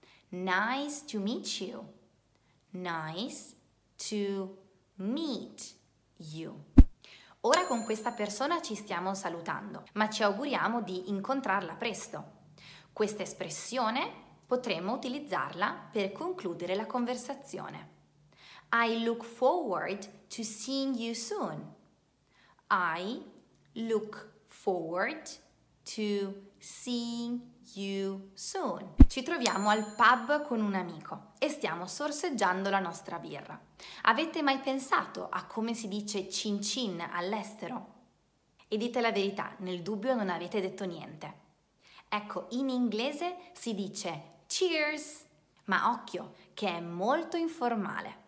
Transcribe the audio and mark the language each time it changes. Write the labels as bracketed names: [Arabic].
[English] Nice to meet you. Nice to meet you. [Italian] Ora con questa persona ci stiamo salutando, ma ci auguriamo di incontrarla presto. Questa espressione potremmo utilizzarla per concludere la conversazione. [English] I look forward to seeing you soon. I look forward to seeing you soon. [Italian] Ci troviamo al pub con un amico e stiamo sorseggiando la nostra birra. Avete mai pensato a come si dice cin cin all'estero? E dite la verità, nel dubbio non avete detto niente. Ecco, in inglese si dice cheers, ma occhio che è molto informale.